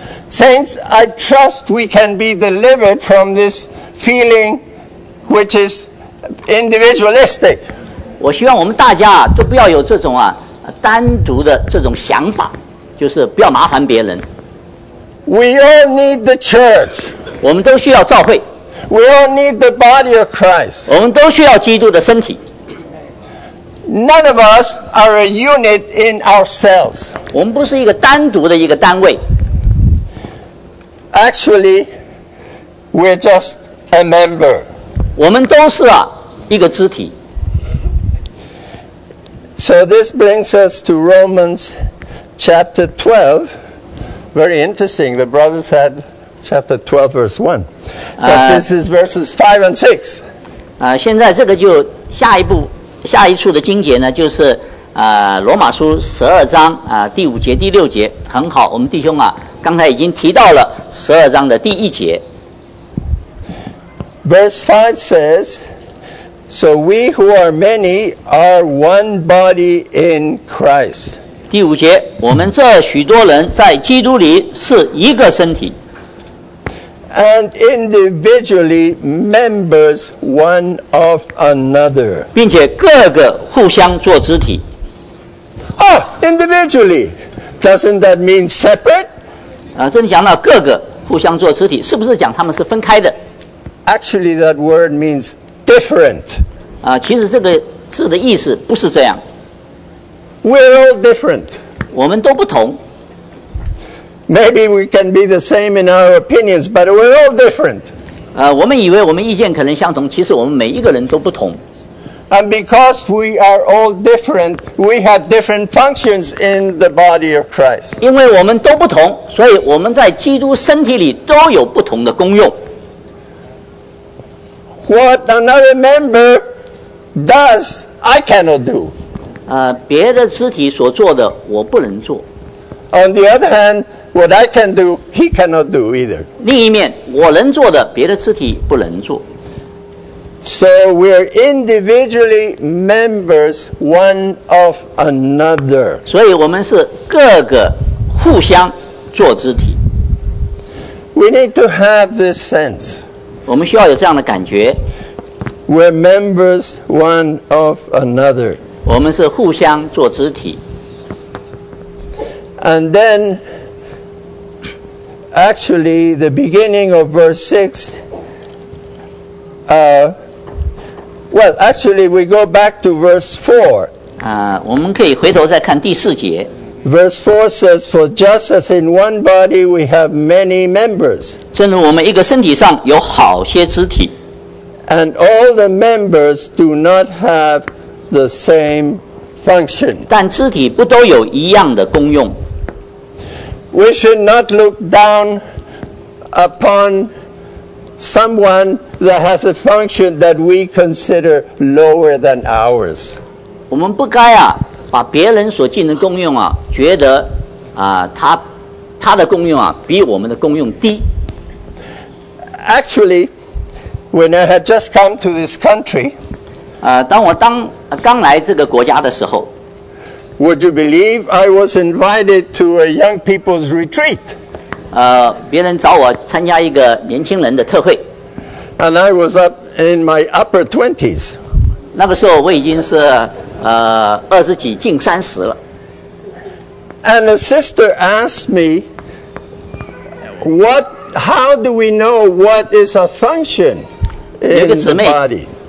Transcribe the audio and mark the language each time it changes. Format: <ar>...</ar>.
<en>Saints, I trust we can be delivered from this feeling, which is individualistic.</en> <zh>我希望我们大家都不要有这种单独的这种想法，就是不要麻烦别人。</zh> <en>We all need the church.</en> <zh>我们都需要教会。</zh> <en>We all need the body of Christ.</en> <zh>我们都需要基督的身体。</zh> <en>None of us are a unit in ourselves.</en> <zh>我们不是一个单独的一个单位。</zh> <en>Actually, we're just a member.</en> <zh>我们都是一个肢体。</zh> <en>So this brings us to Romans chapter 12. Very interesting. The brothers had chapter 12, verse 1. But this is verses 5 and 6.</en> <zh>现在这个就下一步下一处的经节呢，就是罗马书十二章第五节第六节。很好，我们弟兄刚才已经提到了十二章的第一节。</zh> <en>Verse 5 says, So we who are many are one body in Christ.</en> <zh>第五节，我们这许多人在基督里是一个身体。</zh> <en>And individually members one of another.</en> <zh>并且各个互相做肢体。</zh> <en>Oh, individually. Doesn't that mean separate?</en> <zh>这里讲到各个互相做肢体，是不是讲他们是分开的？</zh> <en>Actually, that word means different.</en> <zh>其实这个字的意思不是这样。</zh> <en>We're all different.</en> <zh>我们都不同。</zh> <en>Maybe we can be the same in our opinions, but we're all different.</en> <zh>我们以为我们意见可能相同，其实我们每一个人都不同。</zh> <en>And because we are all different, we have different functions in the body of Christ.</en> <zh>因为我们都不同，所以我们在基督身体里都有不同的功用。</zh> <en>What another member does, I cannot do.</en> <zh>别的肢体所做的，我不能做。</zh> <en>On the other hand, what I can do, he cannot do either.</en> <zh>另一面，我能做的，别的肢体不能做。</zh> <en>So we are individually members one of another.</en> <zh>所以我们是各个互相做肢体。</zh> <en>We need to have this sense.</en> <zh>我们需要有这样的感觉。</zh> <en>We're members one of another.</en> <zh>我们是互相做肢体。</zh> <en>And then, actually, the beginning of verse 6, Well, actually, we go back to verse 4.</en> <zh>我们可以回头再看第四节。</zh> <en>Verse 4 says, For just as in one body we have many members.</en> <zh>正如我们一个身体上有好些肢体。</zh> <en>And all the members do not have the same function.</en> <zh>但肢体不都有一样的功用。</zh> <en>We should not look down upon someone that has a function that we consider lower than ours.</en> <zh>我们不该把别人所尽的功用觉得他的功用比我们的功用低。</zh> <en>Actually, When I had just come to this country,</en> <zh>当我刚来这个国家的时候</zh> <en>，Would you believe I was invited to a young people's retreat?</en> <zh>别人找我参加一个年轻人的特会。</zh> <en>And I was up in my upper twenties.</en> <zh>那个时候我已经是二十几近三十了。</zh> <en>And a sister asked me, "What? How do we know what is a function in the body?"</en>